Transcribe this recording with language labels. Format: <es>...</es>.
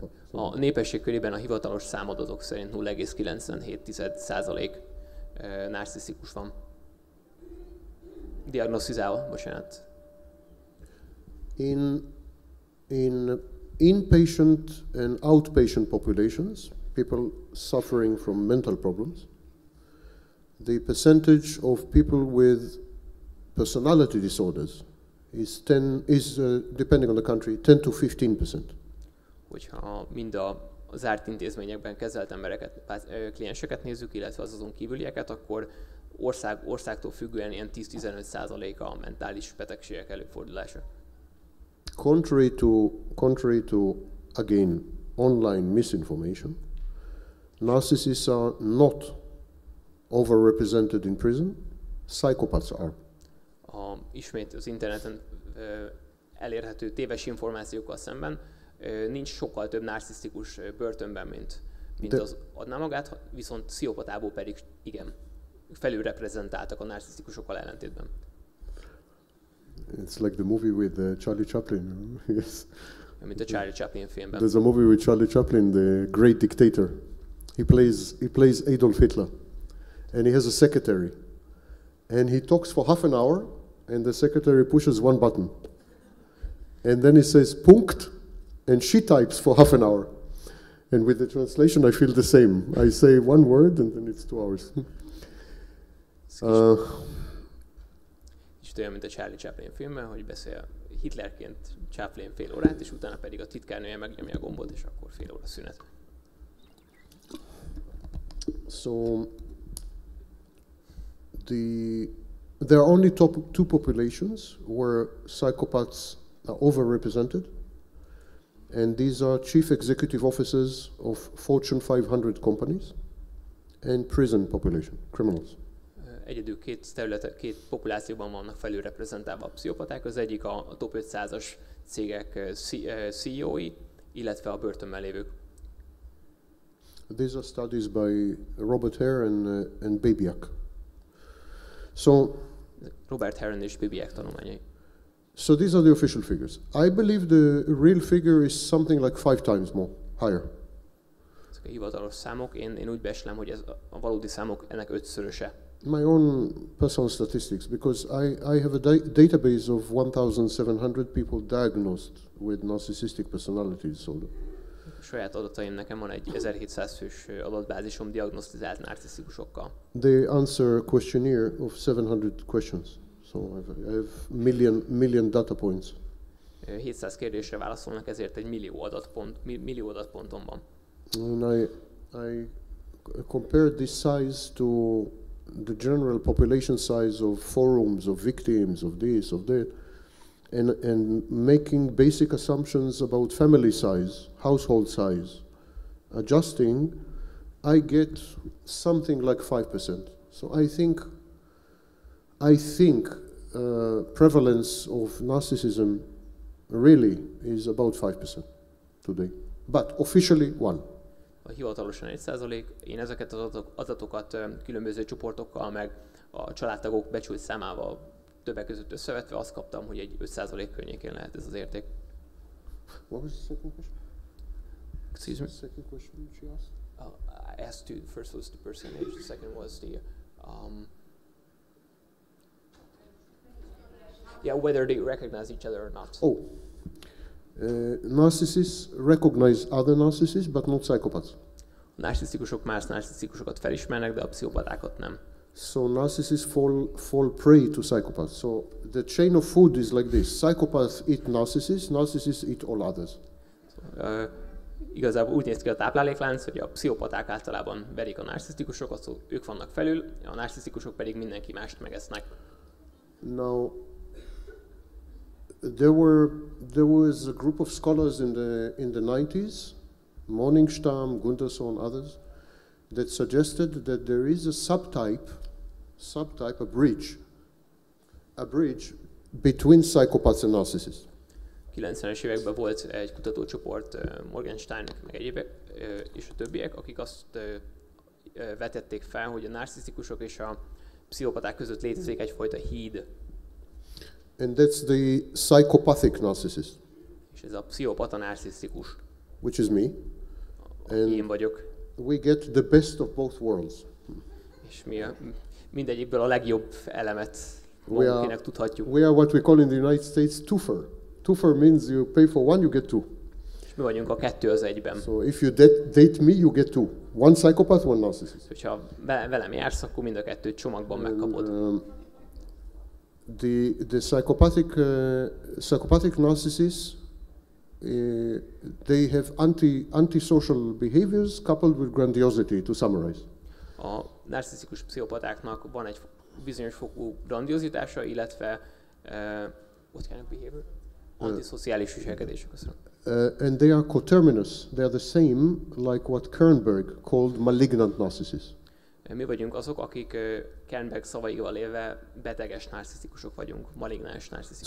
<hu>A népesség körében a hivatalos számadatok szerint 0.97% narcisztikus van. Diagnosztizálva, bocsánat.</hu> <en>In inpatient and outpatient populations, people suffering from mental problems, the percentage of people with personality disorders depending on the country, 10-15%.</en> <hu>Hogyha mind a zárt intézményekben kezelt embereket, klienseket nézzük, illetve az azon kívülieket, akkor országtól függően ilyen 10-15% a mentális betegségek előfordulása.</hu> <en>Contrary to again online misinformation, narcissists are not overrepresented in prison. Psychopaths are.</en> <hu>Ismét az interneten elérhető téves információkkal szemben nincs sokkal több narcisztikus börtönben, mint az adná magát, viszont pszichopatából pedig igen. felülreprezentáltak a narcisztikusokkal ellentétben.</hu> <en>It's like the movie with Charlie Chaplin. Yes.</en> <hu>Mint a Charlie Chaplin filmben.</hu> <en>There's a movie with Charlie Chaplin, the great dictator. He plays Adolf Hitler. And he has a secretary. And he talks for half an hour and the secretary pushes one button. And then he says Punkt and she types for half an hour. And with the translation I feel the same. I say one word and then it's 2 hours.</en> <hu>Olyan, mint a Charlie Chaplin filmben, hogy beszél Hitlerként Chaplin fél órát, és utána pedig a titkárnője megnyomja a gombot, és akkor fél óra szünet.</hu> <en>So, there are only two populations where psychopaths are overrepresented, and these are chief executive officers of Fortune 500 companies and prison population, criminals.</en> <hu>Egyedül két területen, két populációban vannak felülreprezentálva a pszichopaták, az egyik a top 500-as cégek CEO-i, illetve a börtönben lévők.</hu> <en>These are studies by Robert Hare and Babiak. So,</en> <hu>Robert Hare és Babiak tanulmányai.</hu> <en>So these are the official figures. I believe the real figure is something like 5 times more, higher.</en> <hu>Ezek a hivatalos számok, én úgy beslem, hogy ez a valódi számok ennek ötszöröse.</hu> <en>My own personal statistics, because I have a database of 1,700 people diagnosed with narcissistic personality disorder.</en> <hu>Saját adataim, nekem van egy 1700 fős adatbázisom diagnosztizált narcisztikusokkal.</hu> <en>They answer a questionnaire of 700 questions, so I have million data points.</en> <hu>700 kérdésre válaszolnak, ezért egy millió adatpontom van.</hu> <en>And I compared this size to the general population size of forums, of victims, of this, of that, and making basic assumptions about family size, household size, adjusting, I get something like 5%. So I think prevalence of narcissism really is about 5% today, but officially 1.</en> <hu>A hivatalosan 1%, én ezeket az adatokat különböző csoportokkal, meg a családtagok becsült számával többek között összevetve azt kaptam, hogy egy 5% környékén lehet ez az érték.</hu> <en>What was the second question? Excuse me? The second question which you asked? I asked the first was the percentage, the second was the... whether they recognize each other or not. Oh. Narcissists recognize other narcissists, but not psychopaths.</en> <hu>A narcisztikusok más narcisztikusokat felismernek, de a pszichopatákat nem.</hu> <en>So narcissists fall prey to psychopaths. So the chain of food is like this. Psychopaths eat narcissists, narcissists eat all others.</en> <hu>Igazából úgy néz ki a tápláléklánc, hogy a pszichopaták általában verik a narcisztikusokat, szóval ők vannak felül, a narcisztikusok pedig mindenki mást megesznek.</hu> <en>Now, there was a group of scholars in the 90s, Morningstam, Gunderson, others, that suggested that there is a subtype, a bridge between psychopaths and narcissists.</en> <hu>90-es években volt egy kutatócsoport, Morgensteinnek meg egyébek és a többiek, akik azt vetették fel, hogy a narcisztikusok és a pszichopaták között létezik egyfajta híd.</hu> <en>And that's the psychopathic narcissist.</en> <hu>És ez a pszichopata narcisztikus.</hu> <en>Which is me.</en> <hu>And én vagyok.</hu> <en>We get the best of both worlds.</en> <hu>És mi mindegyikből a legjobb elemet magunknak tudhatjuk.</hu> <en>We are what we call in the United States twofer. Twofer means you pay for one, you get two.</en> <hu>És mi vagyunk a kettő az egyben.</hu> <en>So if you date me, you get two. One psychopath, one narcissist.</en> <hu>Hogyha velem jársz, akkor mind a kettőt csomagban megkapod.</hu> <en>The psychopathic narcissists, they have antisocial behaviors coupled with grandiosity, to summarize.</en> <hu>A narcisztikus pszichopatáknak van egy bizonyos fokú grandiozitása, illetve</hu> <en>what kind of behavior?</en> <hu>Antiszociális viselkedés.</hu> <en>And they are coterminous. They are the same like what Kernberg called malignant narcissists.</en> <hu>Mi vagyunk azok, akik Kernberg szavaival élve beteges narcisztikusok vagyunk, malignáns narcisztikusok.</hu>